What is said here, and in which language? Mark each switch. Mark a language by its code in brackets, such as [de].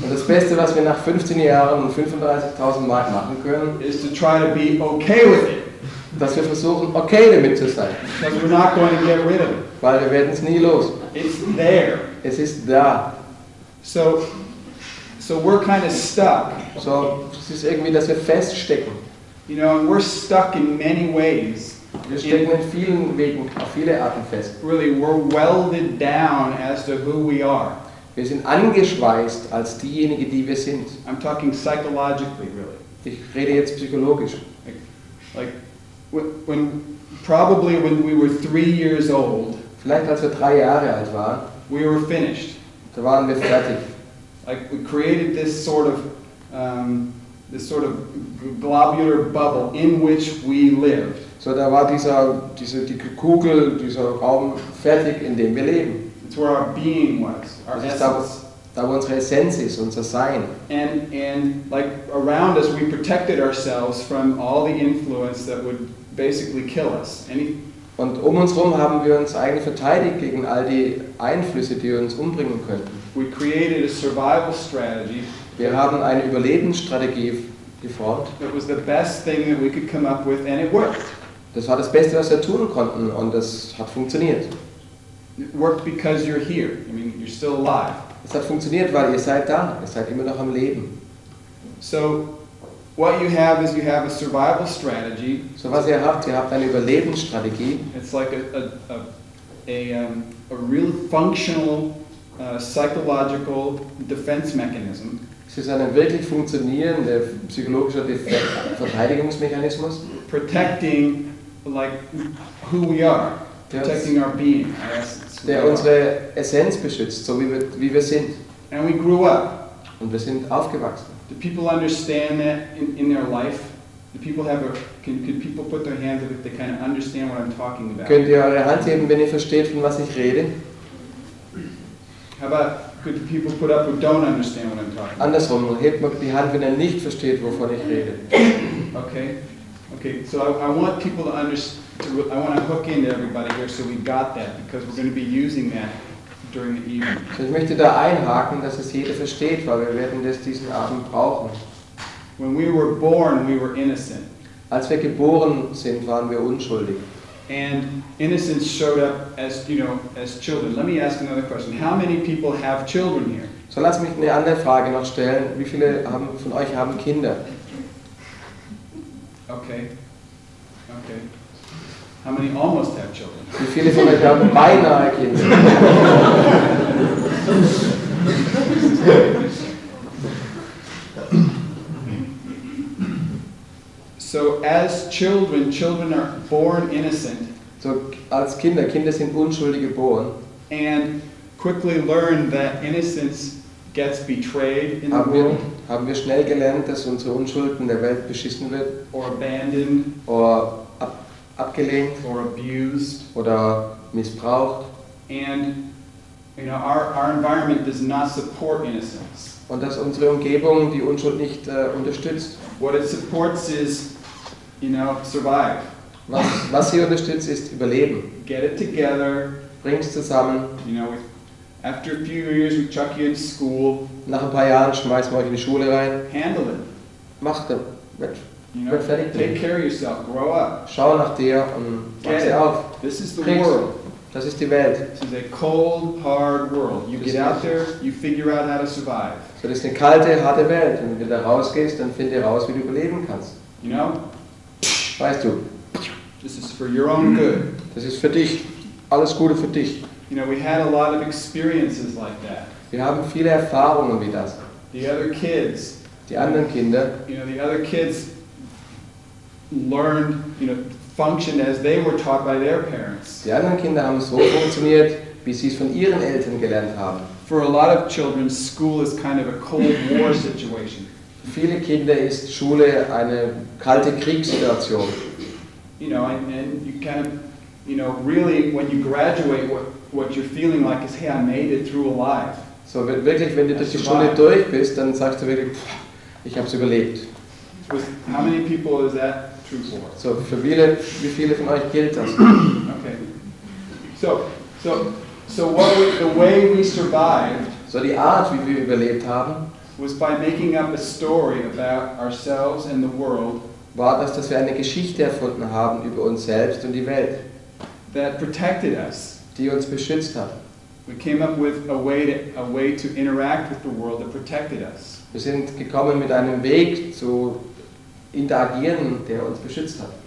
[de] Und das Beste, was wir nach 15 Jahren und 35.000 Mark machen können, [en] is to try to be okay with it. [de] Dass wir versuchen, okay damit zu sein. [en] Because we're not going to get rid of it. [de] Weil wir werden es nie los. [en] It's there. [de] Es ist da. [en] So we're kind of stuck. [de] So es ist irgendwie, dass wir feststecken. [en] You know, and we're stuck in many ways. [de] Wir stecken in vielen Wegen, auf viele Arten fest. [en] Really, we're welded down as to who we are. [de] Wir sind angeschweißt als diejenigen, die wir sind. [en] I'm talking psychologically, really. [de] Ich rede jetzt psychologisch. [en] Like when we were 3 years old. [de] Vielleicht als wir 3 Jahre alt waren. [en] We were finished. [de] Da waren wir fertig. [en] Like we created this sort of globular bubble in which we lived. [de] So da war diese Kugel, dieser Raum fertig, in dem wir leben. [en] It's where our being was, our essence. [de] Da wo unsere Essenz ist, unser Sein. [en] And like around us, we protected ourselves from all the influence that would basically kill us. [de] Und um uns herum haben wir uns eigentlich verteidigt gegen all die Einflüsse, die uns umbringen könnten. [en] We created a survival strategy. [de] Wir haben eine Überlebensstrategie gefordert. [en] It was the best thing that we could come up with, and it worked. [de] Das war das Beste, was wir tun konnten, und das hat funktioniert. [en] It worked because you're here. I mean, you're still alive. [de] Es hat funktioniert, weil ihr seid da. Ihr seid immer noch am Leben. [en] So, what you have is you have a survival strategy. [de] So was ihr habt eine Überlebensstrategie. [en] It's like a real functional psychological defense mechanism. [de] Es ist eine wirklich funktionierende psychologische Verteidigungsmechanismus. [en] Protecting like who we are, protecting our being, our essence. [de] Der unsere Essenz beschützt, so wie wir sind. [en] And we grew up. [de] Und wir sind aufgewachsen. [en] Do people understand that in their life? Do people have a can people put their hands up if they kind of understand what I'm talking about? [de] Könnt ihr eure Hand heben, wenn ihr versteht, von was ich rede? [en] How about could people put up who don't understand what I'm talking? [de] Andersrum, hebt mal die Hand, wenn ihr nicht versteht, wovon ich rede. [en] Okay. Okay, so I want people to understand. I want to hook into everybody here, so we got that, because we're going to be using that during the evening. [de] So ich möchte da einhaken, dass es jeder versteht, weil wir werden das diesen Abend brauchen. [en] When we were born, we were innocent. [de] Als wir geboren sind, waren wir unschuldig. [en] And innocence showed up as, you know, as children. Let me ask another question. How many people have children here? [de] So lass mich eine andere Frage noch stellen. Wie viele von euch haben Kinder? [en] Okay. How many almost have children? [de] Wie viele von euch haben beinahe Kinder? [en] So as children are born innocent. [de] So als Kinder sind unschuldig geboren. [en] And quickly learn that innocence gets betrayed in the world. [de] Haben wir schnell gelernt, dass unsere Unschuld in der Welt beschissen wird? [en] Or abandoned? [de] Oder abgelehnt? [en] Or abused? [de] Oder missbraucht? [en] And you know, our environment does not support innocence. [de] Und dass unsere Umgebung die Unschuld nicht unterstützt? [en] What it supports is, you know, survive. [de] Was sie unterstützt, ist Überleben. [en] Get it together. [de] Bring's zusammen. [en] You know, after a few years, we chuck you in school. [de] Nach ein paar Jahren schmeißen wir euch in die Schule rein. [en] Handle it. [de] Mach das. Wird fertig. [en] Take care of yourself. Grow up. [de] Schau nach dir und wachse [en] get [de] auf. [en] This is the Kriegs. World. [de] Das ist die Welt. [en] This is a cold, hard world. You get out there, you figure out how to survive. [de] So das ist eine kalte, harte Welt. Und wenn du da rausgehst, dann findest du raus, wie du überleben kannst. [en] You know? [de] Weißt du? [en] This is for your own good. [de] Das ist für dich. Alles Gute für dich. [en] You know, we had a lot of experiences like that. [de] Wir haben viele Erfahrungen wie das. [en] The other kids. [de] Die anderen Kinder. [en] You know, the other kids learned, you know, functioned as they were taught by their parents. [de] Die anderen Kinder haben so funktioniert, wie sie es von ihren Eltern gelernt haben. [en] For a lot of children, school is kind of a Cold War situation. [de] Für viele Kinder ist Schule eine kalte Kriegssituation. [en] You know, and you kind of, you know, really, when you graduate, what you're feeling like is, hey, I made it through alive. [de] So wirklich, wenn du durch die Schule durch bist, dann sagst du wirklich, ich habe es überlebt. [en] How many people is that true for? [de] So für wie viele von euch gilt das? [en] Okay. So So what we, the way we survived, [de] so die Art, wie wir überlebt haben, [en] was by making up a story about ourselves and the world, [de] war das, dass wir eine Geschichte erfunden haben über uns selbst und die Welt, [en] that protected us, [de] die uns beschützt hat. [en] We came up with a way to interact with the world that protected us. [de] Wir sind gekommen mit einem Weg zu interagieren, der uns beschützt hat.